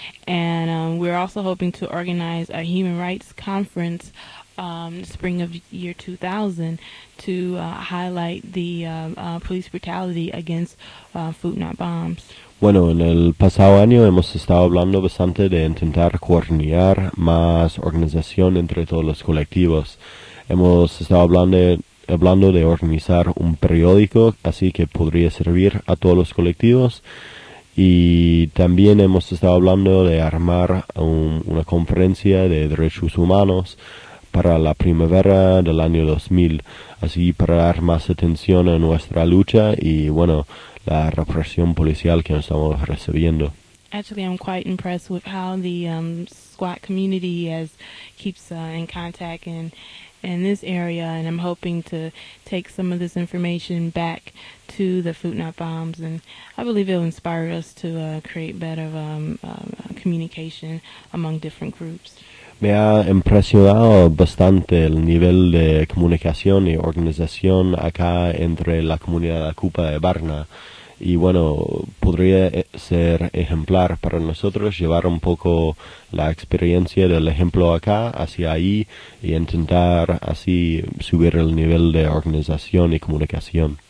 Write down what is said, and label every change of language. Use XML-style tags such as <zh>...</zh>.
<en>And we're also hoping to organize a human rights conference spring of year 2000 to highlight the police brutality against Food Not Bombs.</en> <es>Bueno, en el pasado año hemos estado hablando bastante de intentar coordinar más organización entre todos los colectivos. Hemos estado hablando de organizar un periódico, así que podría servir a todos los colectivos. Y también hemos estado hablando de armar una conferencia de derechos humanos para la primavera del año 2000, así para dar más atención a nuestra lucha y, bueno, la represión policial que estamos recibiendo.</es> <en>Actually, I'm quite impressed with how the SWAT community keeps in contact in this area, and I'm hoping to take some of this information back to the Food Not Bombs, and I believe it will inspire us to create better communication among different groups.</en> <es>Me ha impresionado bastante el nivel de comunicación y organización acá entre la comunidad Akupa de Varna. Y bueno, podría ser ejemplar para nosotros llevar un poco la experiencia del ejemplo acá hacia ahí y intentar así subir el nivel de organización y comunicación.</es>